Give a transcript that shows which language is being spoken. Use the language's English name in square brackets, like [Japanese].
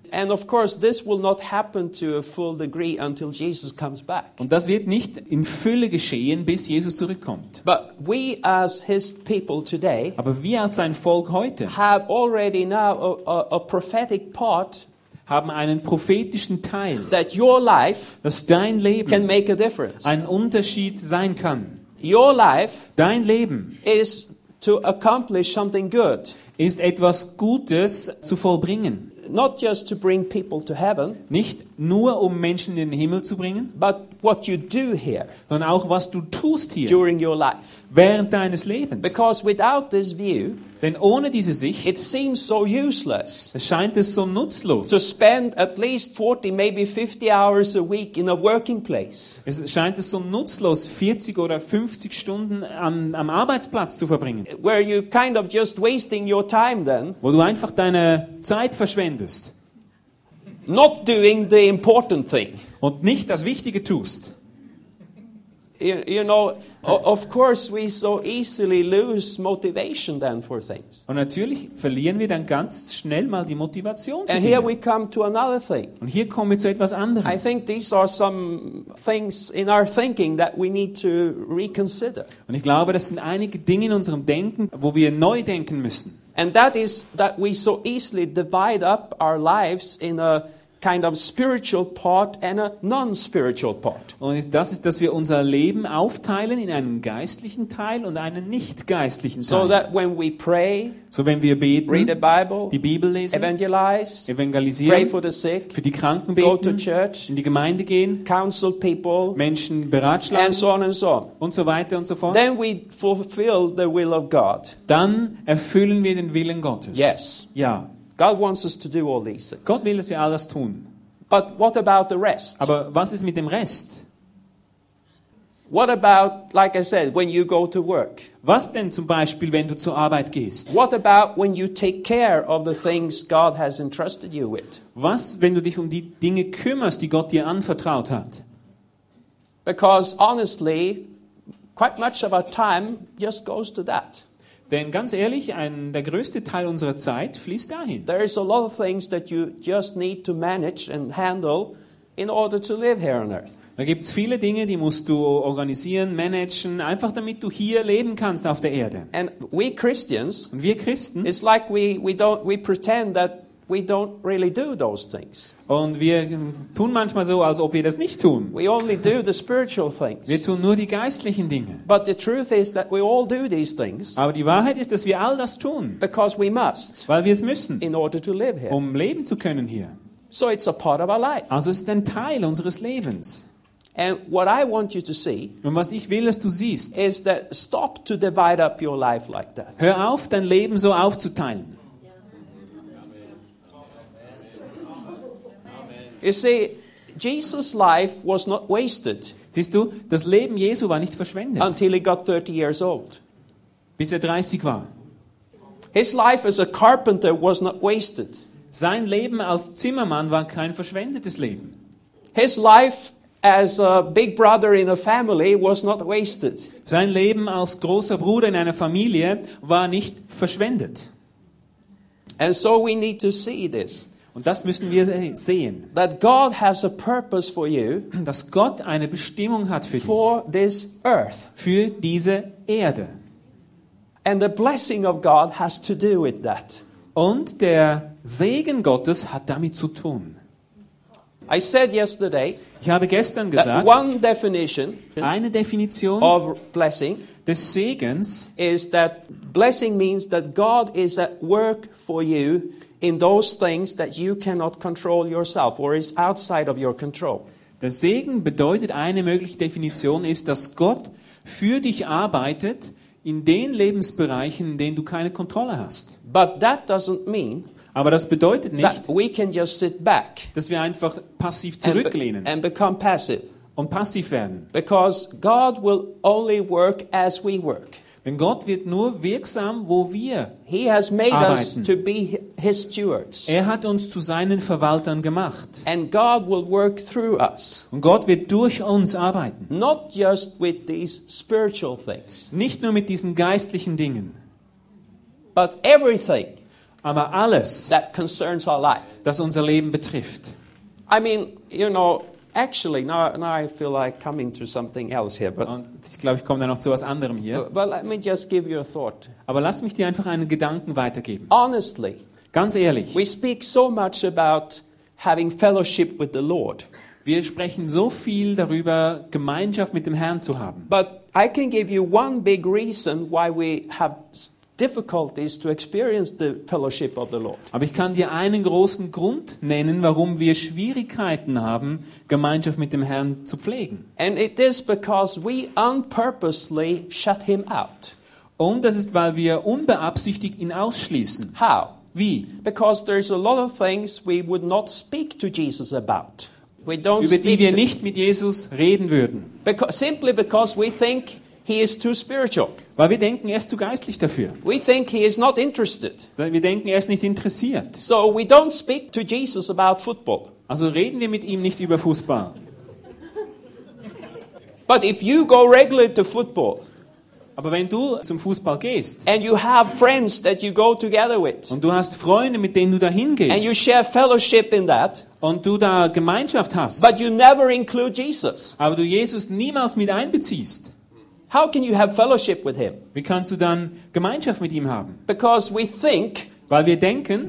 [English] And of course this will not happen to a full degree until Jesus comes back. [German] Und das wird nicht in Fülle geschehen, bis Jesus zurückkommt. [English] But we as his people today, [German] aber wir als sein Volk heute, [English] have already now a prophetic part, [German] haben einen prophetischen Teil, [English] that your life, [German] dass dein Leben, [English] can make a difference. [German] Ein Unterschied sein kann. [English] Your life, [German] dein Leben, [English] is to accomplish something good, [German] ist etwas Gutes zu vollbringen. [English] Not just to bring people to heaven, [German] nicht nur Menschen in den Himmel zu bringen, [English] but what you do here, [German] sondern auch was du tust hier, [English] during your life, [German] während deines Lebens. [English] Because without this view, [German] denn ohne diese Sicht, [English] it seems so useless, [German] erscheint es so nutzlos, [English] to spend at least 40, maybe 50 hours a week in a working place. [German] Es scheint es so nutzlos, 40 oder 50 Stunden am Arbeitsplatz zu verbringen, [English] where you kind of just wasting your time then, [German] wo du einfach deine Zeit verschwendest, [English] not doing the important thing, [German] und nicht das Wichtige tust. [English] You know, of course we so easily lose motivation then for things. [German] Und natürlich verlieren wir dann ganz schnell mal die Motivation. [English] And here we come to another thing. [German] Und hier kommen wir zu etwas anderem. [English] I think these are some things in our thinking that we need to reconsider. [German] Und ich glaube, das sind einige Dinge in unserem Denken, wo wir neu denken müssen. [English] And that is that we so easily divide up our lives in a kind of spiritual part and a non-spiritual part. [German] Und das ist, dass wir unser Leben aufteilen in einen geistlichen Teil und einen nicht geistlichen Teil. [English] So that when we pray, [German] so wenn wir beten, [English] read the Bible, [German] die Bibel lesen, evangelisieren, [English] pray for the sick, [German] für die Kranken beten, [English] go to church, [German] in die Gemeinde gehen, [English] counsel people, [German] Menschen beratschlagen, [English] and so on and so on, [German] und so weiter und so fort. [English] Then we fulfill the will of God. [German] Dann erfüllen wir den Willen Gottes. [English] Yes. [German] Ja. [English] God wants us to do all these things. [German] Gott will, dass wir alles tun. [English] But what about the rest? [German] Aber was ist mit dem Rest? [English] What about, like I said, when you go to work? [German] Was denn zum Beispiel, wenn du zur Arbeit gehst? [English] What about when you take care of the things God has entrusted you with? [German] Was, wenn du dich um die Dinge kümmerst, die Gott dir anvertraut hat? [English] Because honestly, quite much of our time just goes to that. [German] Denn ganz ehrlich, der größte Teil unserer Zeit fließt dahin. [English] There is a lot of things that you just need to manage and handle in order to live here on earth. [German] Da gibt's viele Dinge, die musst du organisieren, managen, einfach damit du hier leben kannst auf der Erde. [English] And we Christians, [German] und wir Christen, [English] it's like we pretend that we don't really do those things. [German] Und wir tun manchmal so, als ob wir das nicht tun. [English] We only do the spiritual things. [German] Wir tun nur die geistlichen Dinge. [English] But the truth is that we all do these things. [German] Aber die Wahrheit ist, dass wir all das tun. [English] Because we must. [German] Weil wir es müssen. [English] In order to live here. [German] Um leben zu können hier. [English] So it's a part of our life. [German] Also es ist ein Teil unseres Lebens. [English] And what I want you to see, [German] und was ich will, dass du siehst, [English] is that stop to divide up your life like that. [German] Hör auf, dein Leben so aufzuteilen. [English] You see, Jesus' life was not wasted. [German] Siehst du, das Leben Jesu war nicht verschwendet. [English] Until he got 30 years old. [German] Bis er 30 war. [English] His life as a carpenter was not wasted. [German] Sein Leben als Zimmermann war kein verschwendetes Leben. [English] His life as a big brother in a family was not wasted. [German] Sein Leben als großer Bruder in einer Familie war nicht verschwendet. [English] And so we need to see this. [German] Und das müssen wir sehen. [English] That God has a purpose for you. [German] Dass Gott eine Bestimmung hat für dich. [English] For this earth. [German] Für diese Erde. [English] And the blessing of God has to do with that. [German] Und der Segen Gottes hat damit zu tun. [English] I said yesterday. [German] Ich habe gestern gesagt. That [English] one definition. [German] Eine Definition. [English] Of blessing. [German] Des Segens. [English] Is that blessing means that God is at work for you. In those things that you cannot control yourself or is outside of your control. [German] Der Segen bedeutet, eine mögliche Definition ist, dass Gott für dich arbeitet in den Lebensbereichen, in denen du keine Kontrolle hast. [English] But that doesn't mean, [German] aber das bedeutet nicht, [English] that we can just sit back, [German] dass wir einfach passiv zurücklehnen [English] and become passive. [German] Und passiv werden. [English] Because God will only work as we work. [German] Denn Gott wird nur wirksam, wo wir arbeiten. [English] He has made us to be his stewards. [German] Er hat uns zu seinen Verwaltern gemacht. [English] And God will work through us. [German] Und Gott wird durch uns arbeiten. [English] Not just with these spiritual things. [German] Nicht nur mit diesen geistlichen Dingen. [English] But everything. [German] Aber alles, [English] that concerns our life. [German] Das unser Leben betrifft. [English] I mean, you know, actually, now I feel like coming to something else here. But [German] ich glaube, ich komme dann noch zu was anderem hier. [English] But let me just give you a thought. [German] Aber lass mich dir einfach einen Gedanken weitergeben. [English] Honestly, [German] ganz ehrlich, [English] we speak so much about having fellowship with the Lord. [German] Wir sprechen so viel darüber, Gemeinschaft mit dem Herrn zu haben. [English] But I can give you one big reason why we have difficulties to experience the fellowship of the Lord. [German] Aber ich kann dir einen großen Grund nennen, warum wir Schwierigkeiten haben, Gemeinschaft mit dem Herrn zu pflegen. [English] And it is because we unpurposely shut him out. [German] Und das ist, weil wir unbeabsichtigt ihn ausschließen. [English] How? [German] Wie? [English] Because there's a lot of things we would not speak to Jesus about. We don't [German] über die wir nicht mit Jesus reden würden. [English] Simply because we think he is too spiritual. [German] Weil wir denken, er ist zu geistlich dafür. [English] We think he is not interested. [German] Wir denken, er ist nicht interessiert. [English] So we don't speak to Jesus about football. [German] Also reden wir mit ihm nicht über Fußball. [English] But if you go regularly to football, [German] aber wenn du zum Fußball gehst, [English] and you have friends that you go together with, [German] und du hast Freunde, mit denen du dahin gehst, [English] and you share fellowship in that, [German] und du da Gemeinschaft hast, [English] but you never include Jesus, [German] aber du Jesus niemals mit einbeziehst. [English] How can you have fellowship with him? [German] Wie kannst du dann Gemeinschaft mit ihm haben? [English] Because we think, [German] Weil wir denken,